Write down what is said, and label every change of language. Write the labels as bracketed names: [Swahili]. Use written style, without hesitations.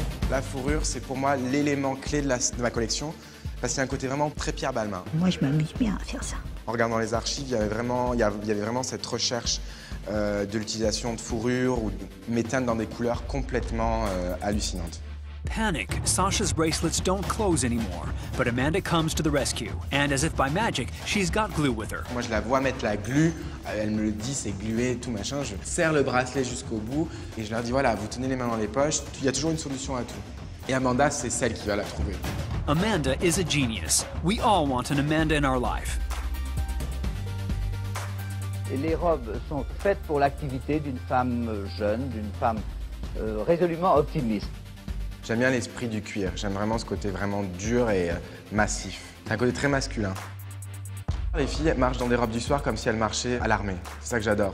[French] La fourrure, c'est pour moi l'élément clé de ma collection, parce qu'il y a un côté vraiment très Pierre Balmain. Moi, je m'amuse bien à faire ça. En regardant les archives, il y avait vraiment cette recherche de l'utilisation de fourrure ou de m'éteindre dans des couleurs complètement hallucinantes. [English] Panic. Sasha's bracelets don't close anymore, but Amanda comes to the rescue, and as if by magic, she's got glue with her. [French] Moi, je la vois mettre la glue. Elle me le dit, c'est glué, tout machin. Je serre le bracelet jusqu'au bout et je leur dis voilà, vous tenez les mains dans les poches. Il y a toujours une solution à tout. Et Amanda, c'est celle qui va la trouver. [English] Amanda is a genius. We all want an Amanda in our life. [French] Et les robes sont faites pour l'activité d'une femme jeune, d'une femme résolument optimiste. J'aime bien l'esprit du cuir. J'aime vraiment ce côté vraiment dur et massif. C'est un côté très masculin. Les filles marchent dans des robes du soir comme si elles marchaient à l'armée. C'est ça que j'adore.